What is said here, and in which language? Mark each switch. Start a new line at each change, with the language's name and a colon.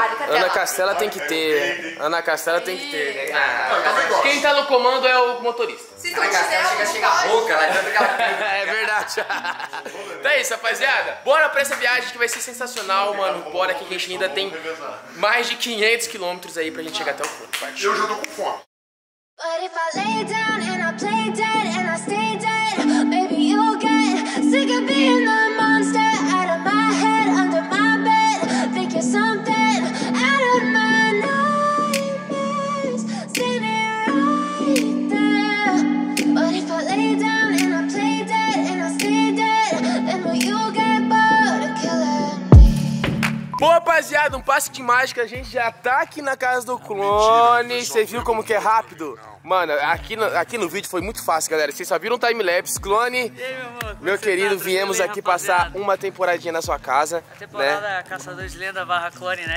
Portuguese: Ana Castela tem que ter. Ana Castela tem que ter. Quem tá no comando é o motorista. Se tu quiser, chega a boca, vai. É verdade. Então é isso, rapaziada. Bora pra essa viagem que vai ser sensacional, mano. Bora que a gente ainda tem mais de 500 quilômetros aí pra gente chegar até o fundo. Eu já tô com fome.
English: But if I lay down and I play dead and I stay dead, maybe you'll get sick of being the monster out of my head, under my bed. Think you're something out of my nightmares. See me right there. But if I lay down and I play dead and I stay dead, then will you get bored of killing me?
Portuguese: Boa, rapaziada, um passe de mágica. A gente já tá aqui na casa do clone. Você viu como que é rápido? Mano, aqui no vídeo foi muito fácil, galera. Vocês só viram o time-lapse, clone. E aí, meu amor? Meu querido, tá? Viemos bem, aqui rapaziada? Passar uma temporadinha na sua casa. A temporada, né? Caçadores de Lenda barra clone, né?